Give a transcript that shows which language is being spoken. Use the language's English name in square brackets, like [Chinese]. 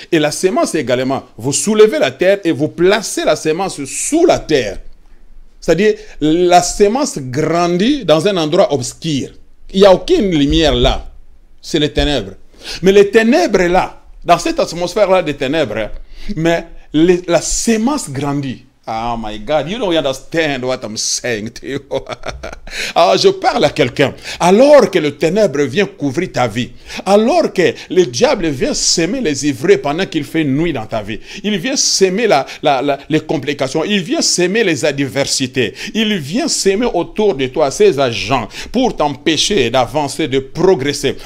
[French] Et la semence également, vous soulevez la terre et vous placez la semence sous la terre. C'est-à-dire la semence grandit dans un endroit obscur. Il y a aucune lumière là. C'est les ténèbres. Mais les ténèbres là, dans cette atmosphère là des ténèbres, mais la semence grandit. [English] Oh my God, you don't understand what I'm saying to you. [French] Ah, je parle à quelqu'un. Alors que le ténèbre vient couvrir ta vie, alors que le diable vient semer les ivrées pendant qu'il fait nuit dans ta vie, il vient semer les complications, il vient semer les adversités, il vient semer autour de toi ses agents pour t'empêcher d'avancer, de progresser.